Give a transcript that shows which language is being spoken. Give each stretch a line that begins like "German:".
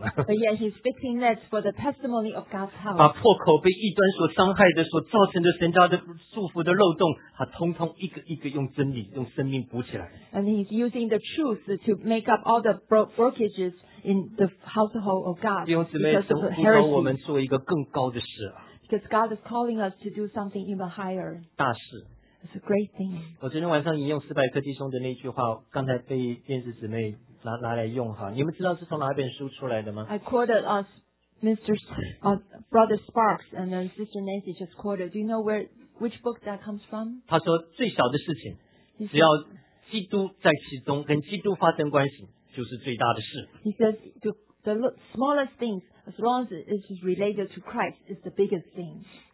English: but yet he's fixing nets for the testimony of God's house.
Chinese: 把破口被异端所伤害的, 所造成的神家的祝福的漏洞, 他通通一个一个用真理, 用生命补起来,
English: and he's using the truth to make up all the brokages in the household of God.
Chinese: 弟兄姊妹,
English: because of heresy.
Chinese: 我们做一个更高的事,
English: because God is calling us to do something even higher.
Chinese: 大事,
English: it's a great thing.
Chinese: 我昨天晚上引用斯派克弟兄的那句话, 刚才被电视姊妹拿来用哈, 你们知道是从哪本书出来的吗?
English: I quoted Brother Sparks and then Sister Nancy just quoted. Do you know which book that comes from? 他说最小的事情, 只要基督在其中跟基督发生关系, 就是最大的事。 He says the smallest things, as long as it is related to Christ, is the biggest thing.